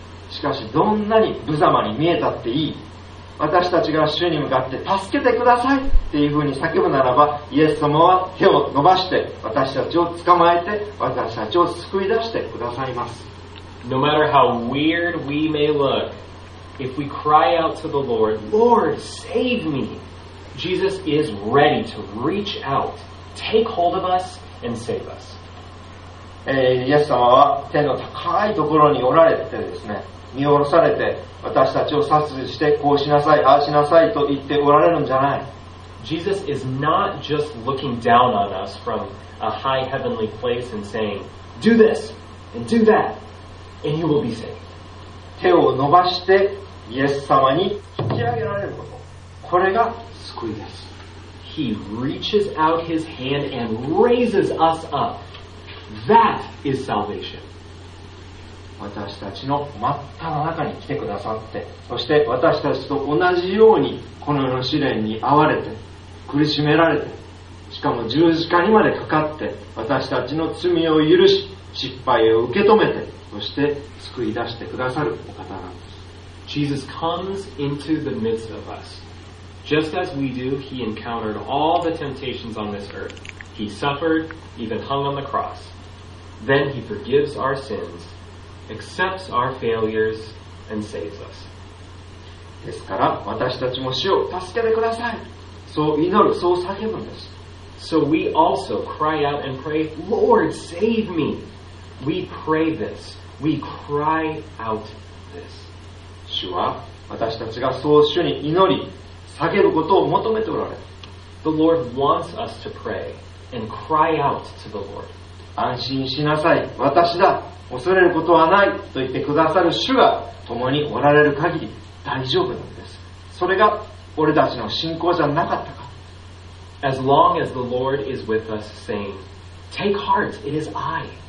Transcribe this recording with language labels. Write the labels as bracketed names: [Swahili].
[Japanese] しかし、どんなに無様に見えたっていい。私たちが主に向かって助けてくださいっていうふうに叫ぶならば、イエス様は手を伸ばして私たちを捕まえて私たちを救い出してくださいます。 [English] No matter how weird we may look, if we cry out to the Lord, Lord, save me, Jesus is ready to reach out, take hold of us and save us. [Japanese] イエス様は天の高いところにおられてですね、見下ろされて私たちを殺害してこうしなさい、ああしなさいと言っておられるんじゃない。 [English] Jesus is not just looking down on us from a high heavenly place and saying, Do this and do that and you will be saved. [Japanese] 手を伸ばしてイエス様に引き上げられること。これが救いです。 [English] He reaches out his hand and raises us up. That is salvation. [Japanese] 私たちの真っ只中に来てくださって、そして私たちと同じようにこの世の試練に遭われて、苦しめられて、しかも十字架にまでかかって、私たちの罪を許し、失敗を受け止めて、そして救い出してくださるお方なんです。 [English] Jesus comes into the midst of us. Just as we do, he encountered all the temptations on this earth. He suffered, even hung on the cross. Then he forgives our sins. Accepts our failures and saves us. [Japanese] ですから私たちも主を助けてください。そう祈る、そう叫ぶんです。 [English] So we also cry out and pray, Lord, save me. We pray this. We cry out this. [Japanese] 主は私たちがそう主に祈り、叫ぶことを求めておられる。 [English] The Lord wants us to pray and cry out to the Lord. [Japanese] 安心しなさい、私だ。恐れることはないと言ってくださる主が共におられる限り大丈夫なんです。それが俺たちの信仰じゃなかったか。 [English] As long as the Lord is with us saying, Take heart, it is I.